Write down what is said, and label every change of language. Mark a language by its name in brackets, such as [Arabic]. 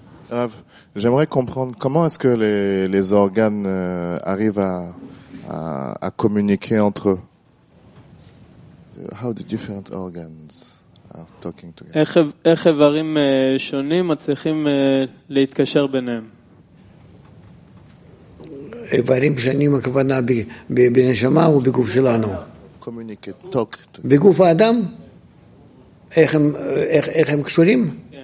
[Hebrew] רב, [French] j'aimerais comprendre comment est-ce que les organes arrivent à communiquer entre eux. [English] How the different organs are talking together. [Hebrew] איך איברים שונים מצליחים להתקשר ביניהם? איברים שונים, הכוונה בנשמה ובגוף שלנו. [English] Communicate, talk. [Hebrew] בגוף האדם? איך הם קשורים?